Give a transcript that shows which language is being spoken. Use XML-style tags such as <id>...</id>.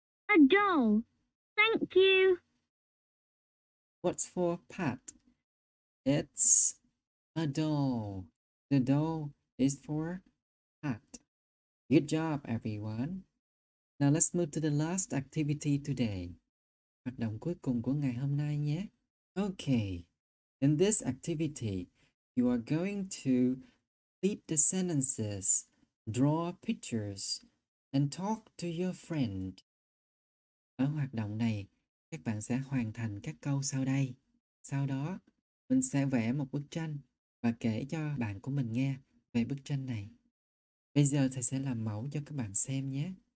<en>A doll. Thank you. What's for Pat? It's a doll. The doll is for Pat. Good job, everyone. Now let's move to the last activity today.</en> <vi>Hoạt động cuối cùng của ngày hôm nay nhé.</vi> <en>Okay. In this activity, you are going to complete the sentences, draw pictures, and talk to your friend.</en> <vi>Ở hoạt động này, các bạn sẽ hoàn thành các câu sau đây. Sau đó, mình sẽ vẽ một bức tranh và kể cho bạn của mình nghe về bức tranh này. Bây giờ thầy sẽ làm mẫu cho các bạn xem nhé.</vi>